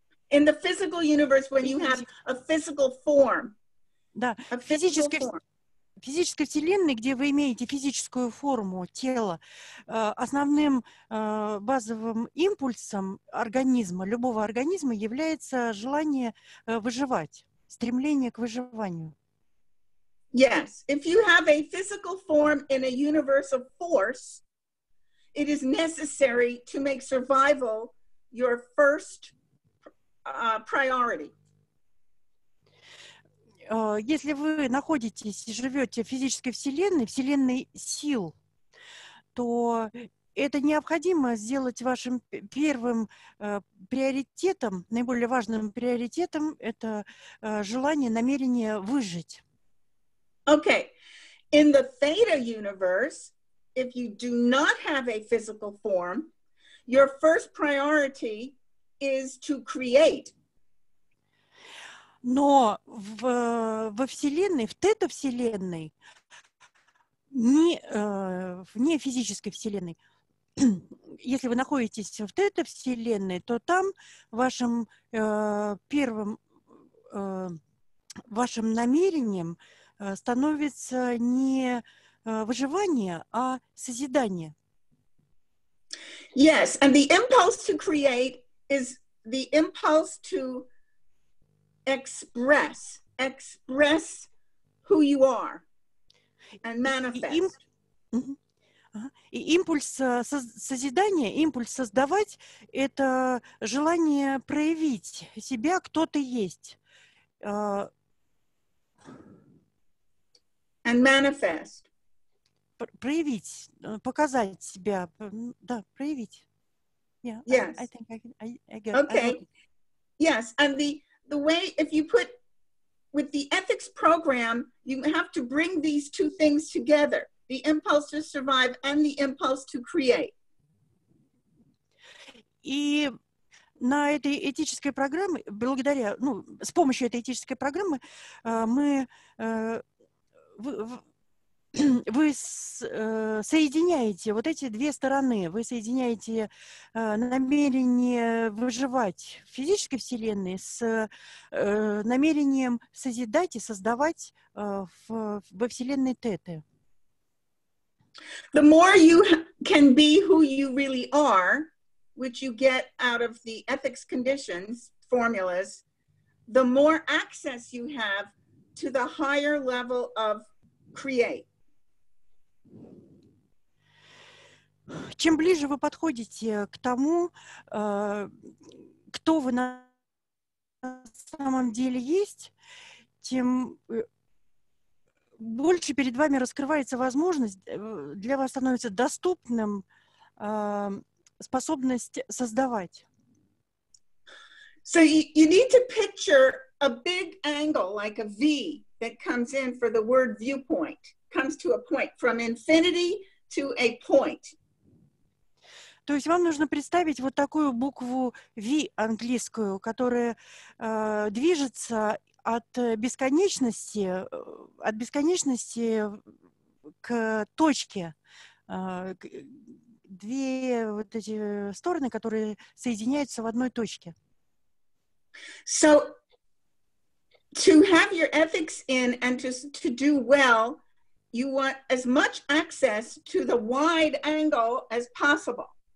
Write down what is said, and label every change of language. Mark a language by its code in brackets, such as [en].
[en] In the physical universe, when you have a physical form. [ru] Да, в физической вселенной, где вы имеете физическую форму тела, основным базовым импульсом организма, любого организма, является желание выживать, стремление к выживанию. [en] Yes, if you have a physical form in a universe of force, it is necessary to make survival your first priority. [ru] Если вы находитесь и живете в физической вселенной, вселенной сил, то это необходимо сделать вашим первым приоритетом, наиболее важным приоритетом, это желание, намерение выжить. [en] Okay. In the Theta universe, if you do not have a physical form, your first priority is to create. [ru] Но во Вселенной, в тета-вселенной, не вне физической вселенной, если вы находитесь в тета-вселенной, то там вашим первым вашим намерением становится не выживание, а созидание. [en] Yes, and the impulse to create is the impulse to express who you are and manifest. [ru] И импульс созидания, импульс создавать — это желание проявить себя, кто ты есть. [en] And manifest. [ru] Проявить, показать себя. Да, проявить. [en] Yeah, yes. I think I get, okay. Yes, and the way, if you put, with the ethics program, you have to bring these two things together. The impulse to survive and the impulse to create. [ru] И на этой этической программе, благодаря, ну, с помощью этой этической программы, мы вы соединяете вот эти две стороны. Вы соединяете намерение выживать в физической вселенной с намерением созидать и создавать во вселенной Теты. [en] The more you can be who you really are, which you get out of the ethics conditions, formulas, the more access you have to the higher level of create. [ru] Чем ближе вы подходите к тому, кто вы на самом деле есть, тем больше перед вами раскрывается возможность, для вас становится доступным способность создавать. [en] So you need to picture a big angle, like a V, that comes in for the word viewpoint, comes to a point, from infinity to a point. [ru] То есть вам нужно представить вот такую букву V английскую, которая движется от бесконечности к точке, две вот эти стороны, которые соединяются в одной точке. [en] So, to have your ethics in and to do well, you want as much access to the wide angle as possible.